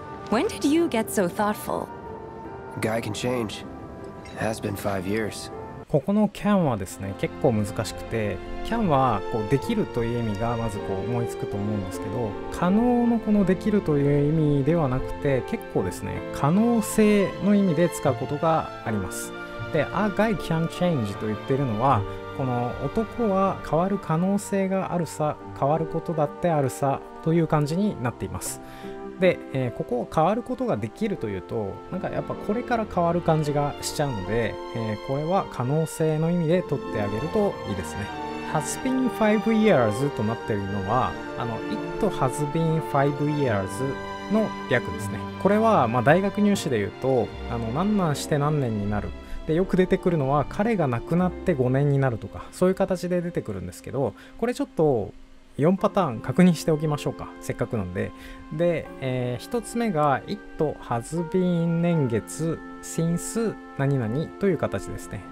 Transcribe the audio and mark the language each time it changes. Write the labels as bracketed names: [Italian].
[English] When did you get so thoughtful? Guy can change. Has been 5 years. [Japanese] ここの can はですね、結構難しくて、 can はこうできるという意味がまずこう思いつくと思うんですけど、可能のこのできるという意味ではなくて、結構ですね、可能性の意味で使うことがあります。で、 A guy can change と言ってるのは、この男は変わる可能性があるさ、変わることだってあるさという感じになっています。で、ここを変わることができるというと、なんかやっぱこれから変わる感じがしちゃうので、これは可能性の意味で取ってあげるといいですね。 Has been 5 years となっているのは、 It has been 5 years の略ですね。これは、まあ、大学入試で言うと、何年して何年になる。で、よく出てくるのは、彼が亡くなって5年になるとか、そういう形で出てくるんですけど、これちょっと、4パターン確認しておきましょうか、せっかくなんで。で、1つ目が It has been 年月 since 何々という形ですね。